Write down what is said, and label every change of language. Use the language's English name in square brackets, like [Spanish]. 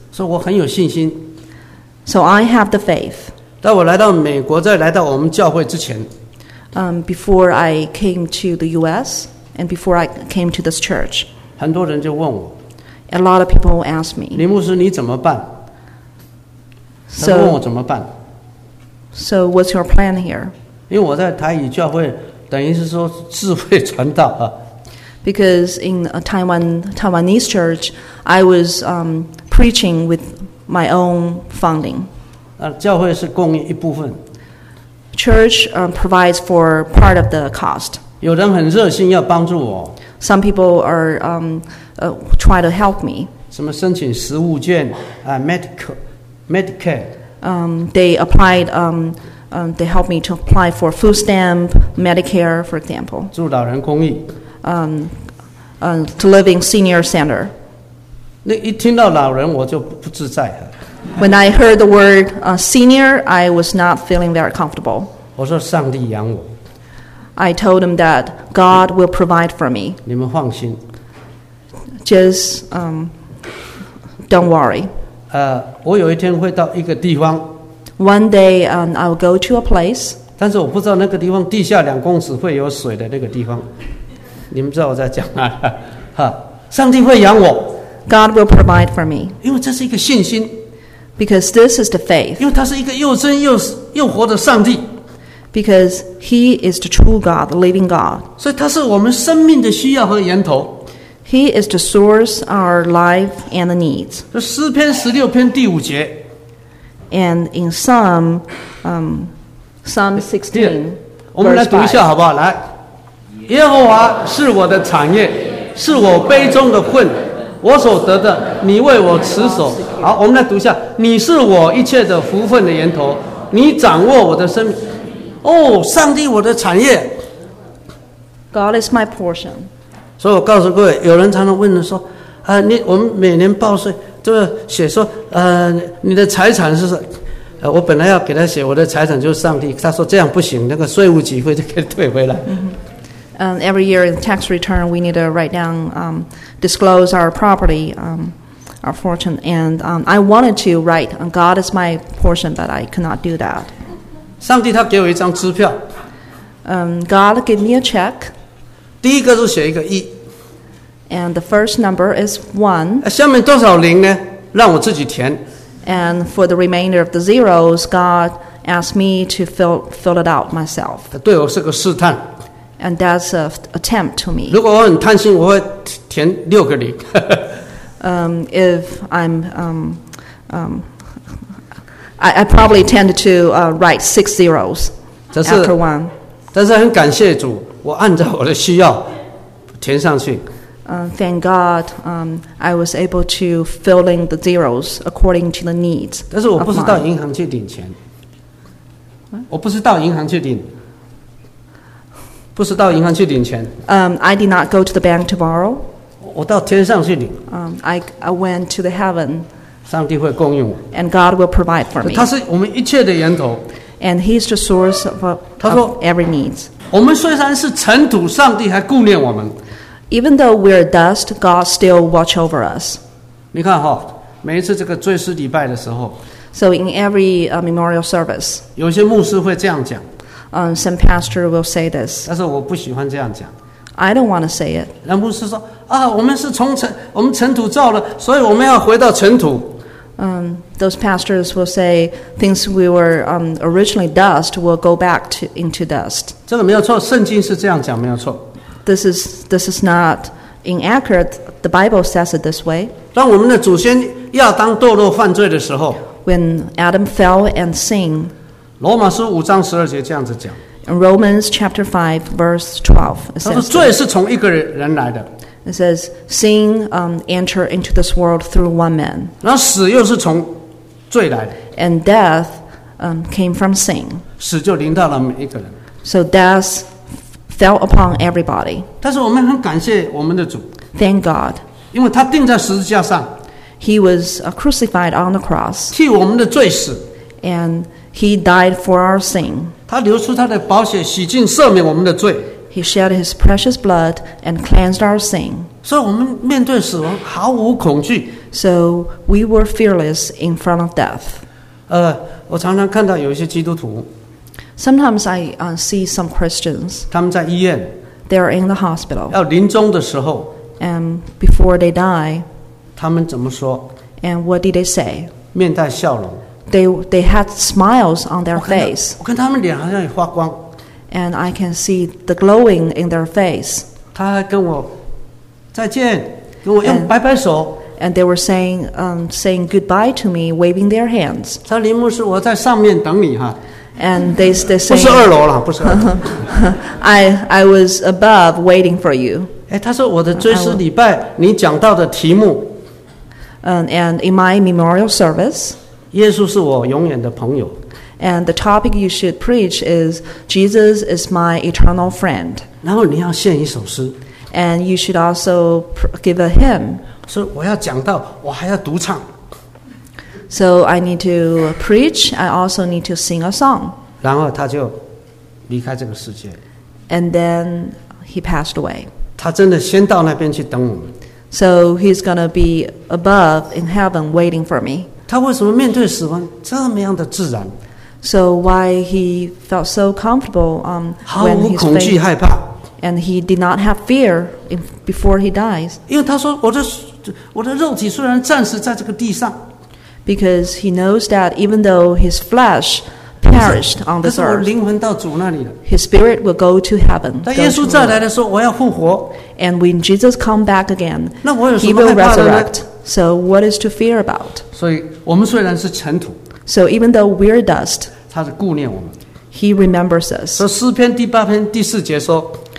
[Chinese] 所以我很有信心。 [English] So I have the faith. [Chinese] 在我来到美国，在来到我们教会之前 [English] before I came to the U.S. and before I came to this church, [Chinese] 很多人就问我 [English] a lot of people ask me, [Chinese] 林牧师你怎么办？他问我怎么办 [English] ？So what's your plan here? [Chinese] 因为我在台语教会，等于是说智慧传道啊。 [English] Because in a Taiwanese church, I was preaching with. My own funding. [Chinese] 教会是供应一部分。 [English] Church provides for part of the cost. [Chinese] 有人很热心要帮助我。 [English] Some people are try to help me. [Chinese] 什么申请食物券Medicare. [English] They applied. They helped me to apply for food stamp, Medicare, for example. [Chinese] 助老人公益。 [English] To living senior center. [Chinese] 那一听到老人，我就不自在了。 [English] When I heard the word senior, I was not feeling very comfortable. [Chinese] 我说上帝养我。 [English] I told him that God will provide for me. [Chinese] 你们放心。 [English] Just don't worry. [Chinese] 我有一天会到一个地方。 [English] One day, I will go to a place. [Chinese] 但是我不知道那个地方地下两公尺会有水的那个地方。你们知道我在讲哪？上帝会养我。 [English] God will provide for me. [Chinese] 因为这是一个信心。 [English] Because this is the faith. [Chinese] 因为他是一个又真 又活的上帝。 [English] Because he is the true God, the living God. [Chinese] 所以他是我们生命的需要和源头。 [English] He is the source of our life and the needs. [Chinese] 这诗篇十六篇第五节。 [English] And in Psalm 16, [Chinese] 我们来读一下好不好？来，耶和华是我的产业，是我杯中的粪。我所得的，你为我持守。好，我们来读一下：你是我一切的福分的源头，你掌握我的生命。哦，上帝，我的产业。 [English] God is my portion。 [Chinese] 所以我告诉各位，有人常常问说：我们每年报税，就是写说，你的财产是什么？我本来要给他写我的财产就是上帝，他说这样不行，那个税务局会就给退回来。 [English] Every year in tax return, we need to write down, disclose our property, our fortune. And I wanted to write, God is my portion, but I could not do that. [Chinese] 上帝他给我一张支票。 [English] God gave me a check. [Chinese] 第一个是写一个一。 [English] And the first number is one. [Chinese] 下面多少零呢？让我自己填。 [English] And for the remainder of the zeros, God asked me to fill it out myself. [Chinese] 对我是个试探。 [English] And that's an attempt to me. [Chinese] 如果我很贪心，我会填六个零。 [English] If I'm I probably tend to write six zeros after one. [Chinese] 但是很感谢主，我按照我的需要填上去。 [English] Thank God, I was able to fill in the zeros according to the needs. [Chinese] 但是我不是到银行去领钱。我不是到银行去领。不是到银行去领钱。 [English] I did not go to the bank to borrow. [Chinese] 我到天上去领。 [English] I went to the heaven. [Chinese] 上帝会供应我。 [English] And God will provide for me. [Chinese] 他是我们一切的源头。 [English] And He is the source of every needs. [Chinese] 我们虽然是尘土，上帝还顾念我们。 [English] Even though we're dust, God still watch over us. [Chinese] 你看哈，每一次这个追思礼拜的时候。 [English] So in every memorial service. [Chinese] 有些牧师会这样讲。 [English] Some pastor will say this. [Chinese] 但是我不喜欢这样讲。 [English] I don't want to say it. [Chinese] 那牧师说啊，我们是从尘，我们尘土造的，所以我们要回到尘土。 [English] Those pastors will say things we were originally dust will go back to into dust. [Chinese] 这个没有错，圣经是这样讲，没有错。 [English] This is not inaccurate. The Bible says it this way. [Chinese] 当我们的祖先亚当堕落犯罪的时候 [English] ，When Adam fell and sinned. [Chinese] 罗马书五章十二节这样子讲。 [English] In Romans chapter 5 verse 12, it says. [Chinese] 他说罪是从一个人来的。 [English] It says, sin enter into this world through one man. [Chinese] 然后死又是从罪来的。 [English] And death came from sin. [Chinese] 死就临到了每一个人。 [English] So death fell upon everybody. [Chinese] 但是我们很感谢我们的主。 [English] Thank God. [Chinese] 因为他钉在十字架上。 [English] He was crucified on the cross. [Chinese] 替我们的罪死。 [English] And he died for our sin. [Chinese] 他流出他的宝血，洗净赦免我们的罪。 [English] He shed his precious blood and cleansed our sin. [Chinese] 所以我们面对死亡毫无恐惧。 [English] So we were fearless in front of death. [Chinese] 我常常看到有一些基督徒。 [English] Sometimes I see some Christians. [Chinese] 他们在医院。 [English] They are in the hospital. [Chinese] 要临终的时候。 [English] And before they die. [Chinese] 他们怎么说？ [English] And what did they say? [Chinese] 面带笑容。 [English] They had smiles on their face. [Chinese] 我看他们脸好像也发光。 [English] And I can see the glowing in their face. [Chinese] 他还跟我再见，跟我用摆摆手。 [English] And they were saying, saying goodbye to me, waving their hands. [Chinese] 他林牧师，我在上面等你哈。 [English] And they say, [Chinese] 不是二楼了，不是二楼。 [English] I was above waiting for you. [Chinese] 哎，他说我的追思礼拜，你讲到的题目。 [English] And in my memorial service, [Chinese] 耶稣是我永远的朋友。 [English] And the topic you should preach is Jesus is my eternal friend. [Chinese] 然后你要献一首诗。 [English] And you should also give a hymn. [Chinese] 所以我要讲到，我还要独唱。 [English] So I need to preach. I also need to sing a song. [Chinese] 然后他就离开这个世界。 [English] And then he passed away. [Chinese] 他真的先到那边去等我们。 [English] So he's going to be above in heaven waiting for me. [Chinese] 他为什么面对死亡这么样的自然？ [English] So why he felt so comfortable when he's faced, [Chinese] 毫无恐惧害怕。 [English] And he did not have fear before he dies. [Chinese] 因为他说我的肉体虽然暂时在这个地上。 [English] Because he knows that even though his flesh perished on this earth, [Chinese] 但是我灵魂到主那里了。 [English] His spirit will go to heaven. [Chinese] 但耶稣再来的时候我要复活。 [English] And when Jesus comes back again, [Chinese] 那我有什么害怕的呢? [English] He will resurrect. So what is to fear about? [Chinese] 所以我们虽然是尘土。 [English] So even though we're dust, [Chinese] 他是顾念我们。 [English] He remembers us. [Chinese] 所以诗篇第八篇第四节说。